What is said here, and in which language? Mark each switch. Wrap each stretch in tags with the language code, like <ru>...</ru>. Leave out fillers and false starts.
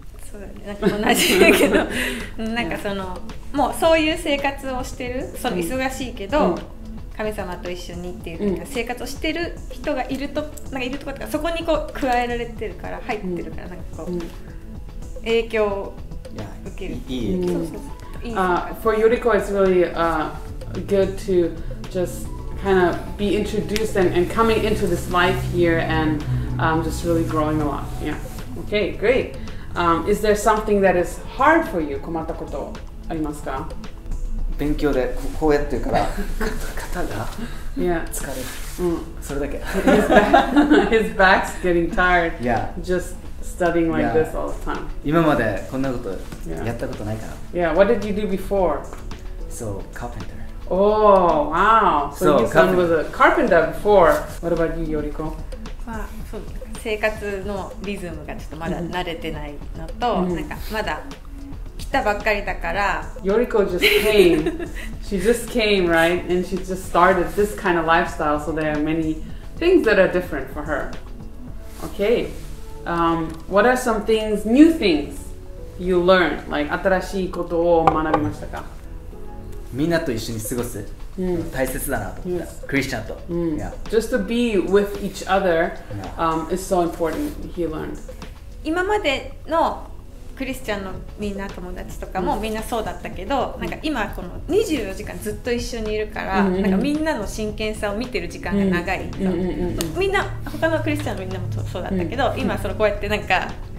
<ja>そうだね。なんか同じだけど、なんかその、yeah. もうそういう生活をしてる、その忙しいけど、神様と一緒にっていう生活をしてる人がいると、なんかいるとか、そこにこう加えられてるから、入ってるから、なんかこう、影響を受ける。いい影響。</ja> <en>For Yoriko, it's really、good to just kind of be introduced and coming into this life here and、just really growing a lot. Yeah. Okay, great.、is there something that is hard for you?</en> <ja>困ったことありますか勉強でこうやってるから肩が疲れる、 yeah. それだけ</ja> <en>His back's getting tired、 yeah. just studying like、yeah. this all the time</en> <ja>今までこんなことやったことないから</ja> <en>yeah. yeah, what did you do before? So, carpenter Oh, wow! So, your son carpenter. was a carpenter before What about you, Yoriko?</en> <ja>まあ、そう生活のリズムがちょっとまだ慣れてないのと、mm-hmm. なんかまだ来たばっかりだから</ja> <en>Yoriko just came She just came, right? And she just started this kind of lifestyle So there are many things that are different for her Okay、What are some things, new things you learned?</en> <ja>Like, 新しいことを学びましたかみんなと一緒に過ごす、大切だなと、yes. クリスチャンと、</ja> <en>yeah. Just to be with each other、is so important, he learned</en> <ja>今までのクリスチャンのみんな友達とかもみんなそうだったけど、うん、なんか今この24時間ずっと一緒にいるから、うんうんうん、なんかみんなの真剣さを見てる時間が長いと、うんうんうん、みんな他のクリスチャンのみんなもそうだったけど、うん、今そのこうやってなんか</ja>